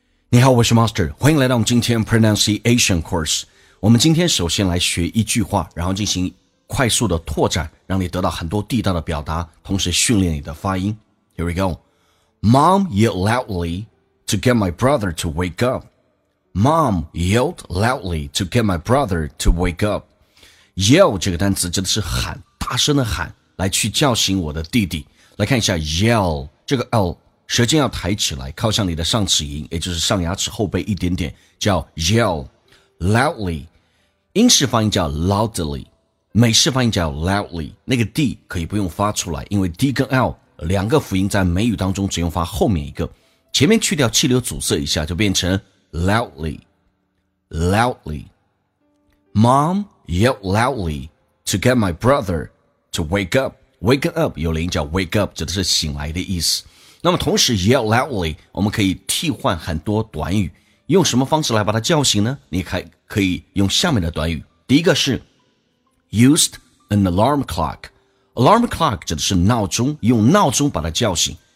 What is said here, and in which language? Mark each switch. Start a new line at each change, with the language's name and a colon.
Chinese: 你好，我是 Master， 欢迎来到我们今天 Pronunciation Course。我们今天首先来学一句话，然后进行快速的拓展，让你得到很多地道的表达，同时训练你的发音。
English: Here we go. Mom yelled loudly to get my brother to wake up. Mom yelled loudly to get my brother to wake up.
Chinese: Yell 这个单词指的是喊，大声的喊，来去叫醒我的弟弟。来看一下 Yell 这个 L，舌尖要抬起来，靠向你的上齿龈，也就是上牙齿后背一点点，叫
English: yell loudly，
Chinese: 英式发音叫 loudly， 美式发音叫 loudly， 那个 D 可以不用发出来，因为 D 跟 L 两个辅音在美语当中只用发后面一个，前面去掉气流阻塞一下就变成 loudly loudly。 Mom yelled loudly to get my brother to wake up. Wake up 有连音叫
English: wake up，
Chinese: 指的是醒来的意思。那么同时
English: yell loudly
Chinese: 我们可以替换很多短语，用什么方式来把它叫醒呢？你可以用下面的短语。第一个是
English: used an alarm clock，
Chinese: alarm clock 指的是闹钟，用闹钟把它叫醒。